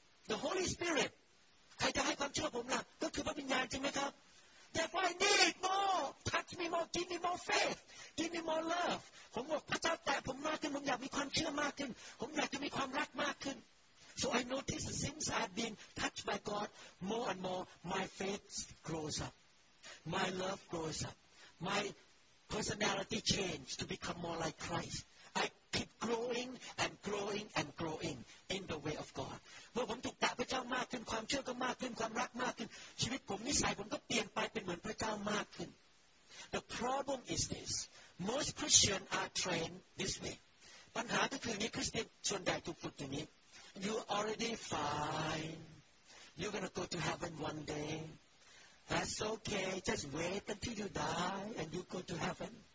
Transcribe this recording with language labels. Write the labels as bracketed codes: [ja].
[en] the Holy Spirit [th] ใครจะให้ความเชื่อผมล่ะก็คือพระวิญญาณจริงไหมครับ [en] therefore I need more touch me more give me more faith give me more love [th] ผมบอกพระเจ้าแตะผมมากขึ้นผมอยากมีความเชื่อมากขึ้นผมอยากจะมีความรักมากขึ้น [en] so I notice since I've been touched by God more and more my faith grows up my love grows up myPersonality change to become more like Christ. I keep growing and growing and growing in the way of God. [th] เมื่อผมถูกแตะพระเจ้ามากขึ้นความเชื่อก็มากขึ้นความรักมากขึ้นชีวิตผมนิสัยผมก็เปลี่ยนไปเป็นเหมือนพระเจ้ามากขึ้น [en] The problem is this. Most Christians are trained this way. [th] ปัญหาก็คือนี้คริสเตียนส่วนใหญ่ถูกฝึกอย่างนี้ [en] You already fine. You're gonna go to heaven one day. That's okay. Just wait until you die and you go to heaven.